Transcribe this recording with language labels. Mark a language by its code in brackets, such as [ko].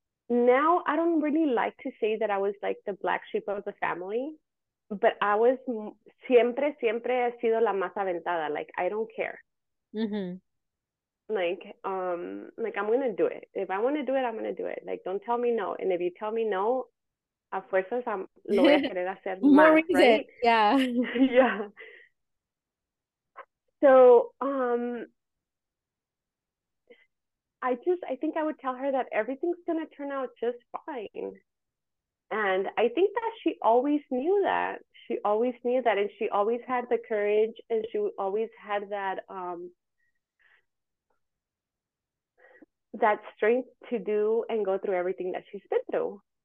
[en] Now I don't really like to say that I was like the black sheep of the family, but I was [es] siempre, siempre he sido la más aventada. [en] Like, I don't care. Like I'm gonna do it. If I wanna do it, I'm gonna do it. Like, don't tell me no. And if you tell me no, [es] a fuerzas lo voy a querer hacer [en] More [es] más, [en] reason, right? yeah. Yeah. So, I think I would tell her that everything's gonna turn out just fine. And I think that she always knew that. She always knew that, and she always had the courage, and she always had that strength to do and go through everything that she's been through.